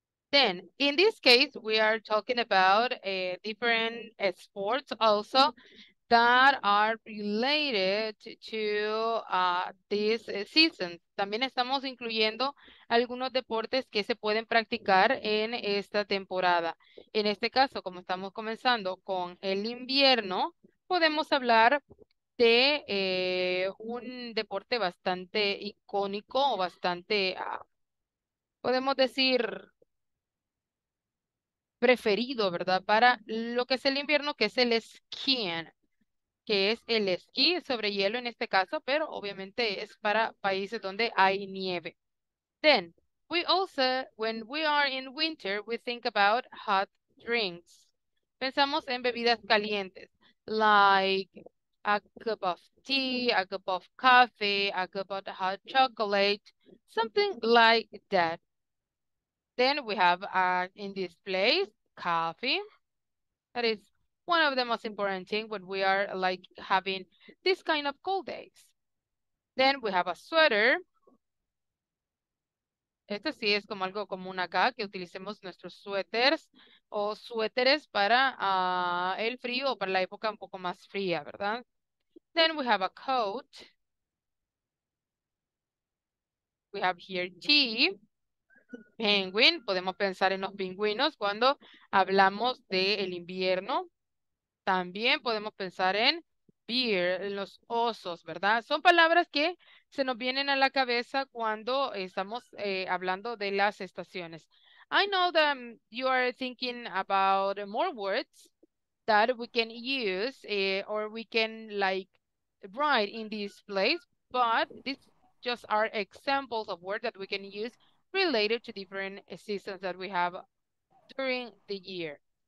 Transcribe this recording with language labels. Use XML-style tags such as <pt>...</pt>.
<en>Then, in this case, we are talking about different sports also that are related to this season.</en> <es>También estamos incluyendo algunos deportes que se pueden practicar en esta temporada. En este caso, como estamos comenzando con el invierno, podemos hablar de un deporte bastante icónico o bastante, podemos decir, preferido, ¿verdad? Para lo que es el invierno, que es el esquí, que es el esquí sobre hielo en este caso, pero obviamente es para países donde hay nieve.</es> <en>Then, we also, when we are in winter, we think about hot drinks.</en> <es>Pensamos en bebidas calientes,</es> <en>like a cup of tea, a cup of coffee, a cup of hot chocolate, something like that. Then we have in this place, coffee. That is one of the most important things when we are like having this kind of cold days. Then we have a sweater.</en> <es>Esto sí es como algo común acá, que utilicemos nuestros suéteres o suéteres para el frío o para la época un poco más fría, ¿verdad?</es> <en>Then we have a coat. We have here tea.</en> <es>Penguin, podemos pensar en los pingüinos cuando hablamos del invierno. También podemos pensar en bear, los osos, ¿verdad? Son palabras que se nos vienen a la cabeza cuando estamos hablando de las estaciones.</es> <en>I know that you are thinking about more words that we can use or we can like write in this place, but these just are examples of words that we can use related to different seasons that we have during the year.</en>